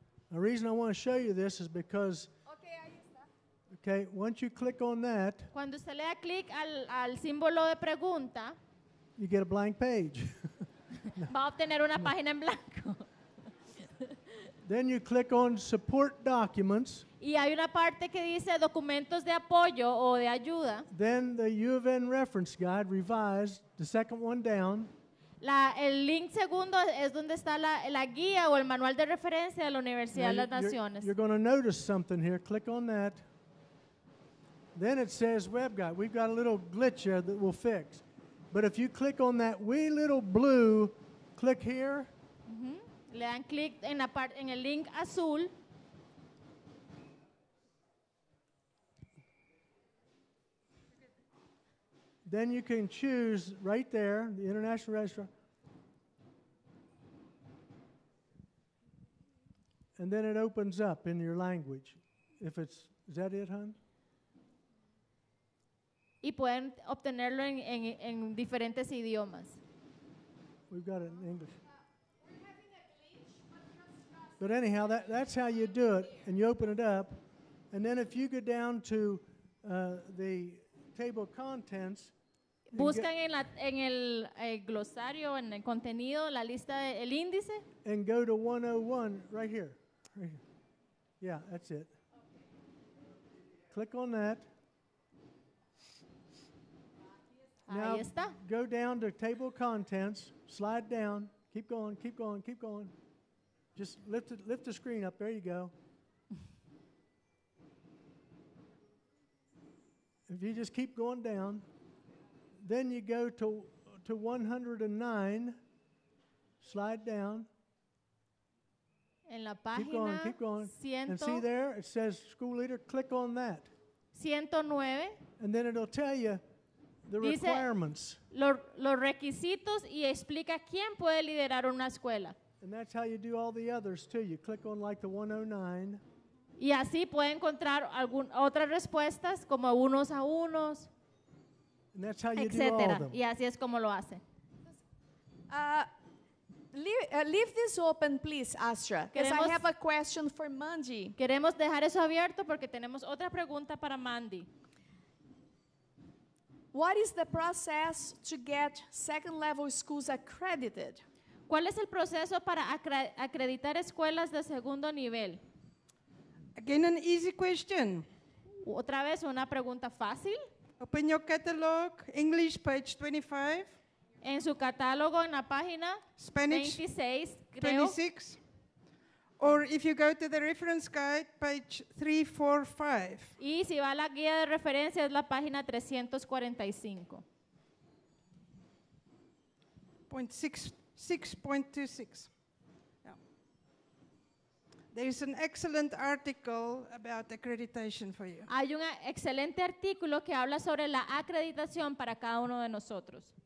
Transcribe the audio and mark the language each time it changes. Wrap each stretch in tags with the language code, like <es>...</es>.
<en>The reason I want to show you this is because, okay, once you click on that,</en> <es>cuando usted le da clic al símbolo de pregunta,</es> <en>you get a blank page.</en> <es>Va a obtener una página en blanco.</es> <en>Then you click on support documents.</en> <es>Y hay una parte que dice documentos de apoyo o de ayuda.</es> <en>Then the UofN reference guide revised, the second one down.</en> <es>El link segundo es donde está la guía o el manual de referencia de la Universidad de las Naciones.</es> <en>You're going to notice something here. Click on that. Then it says web guide. We've got a little glitch here that we'll fix. But if you click on that wee little blue, click here.</en> <es>Mm-hmm. Le dan clic en el link azul.</es> <en>Then you can choose right there, the International Registrar. And then it opens up in your language. Is that it, hon?</en> <es>Y pueden obtenerlo en diferentes idiomas.</es> <en>We've got it in English. But anyhow, that's how you do it. And you open it up. And then if you go down to the table of contents,</en> <es>buscan en el glosario, en el contenido, la lista del índice.</es> <en>And go to 101 right here. Yeah, that's it. Okay. Click on that. Now,</en> <es>ahí está.</es> <en>Go down to table contents, slide down, keep going, keep going, keep going. Just lift the screen up, there you go. If you just keep going down, then you go to 109, slide down.</en> <es>En la página</es> <en>keep going, keep going. And see there, it says school leader, click on that. 109. And then it'll tell you the requirements.</en> <es>Los requisitos y explica quién puede liderar una escuela.</es> <en>And that's how you do all the others too. You click on like the 109.</en> <es>Y así puede encontrar otras respuestas como unos a unos,</es> <en>and that's how you etc. Do all of them.</en> <es>Y así es como lo hace.</es> <en>Leave this open, please, Astra, because I have a question for Mandy.</en> <es>Queremos dejar eso abierto porque tenemos otra pregunta para Mandy.</es> <en>What is the process to get second-level schools accredited?</en> <es>¿Cuál es el proceso para acreditar escuelas de segundo nivel?</es> <en>Again, an easy question.</en> <es>Otra vez una pregunta fácil.</es> <en>Open your catalog, English, page 25.</en> <es>En su catálogo, en la página</es> <en>Spanish</en> <es>26, creo.</es> <en>26. Or if you go to the reference guide, page 345.</en> <es>Y si va a la guía de referencia, es la página 345. 6.26.</es> <en>There is an excellent article about accreditation for you.</en> <es>Hay un excelente artículo que habla sobre la acreditación para cada uno de nosotros.</es>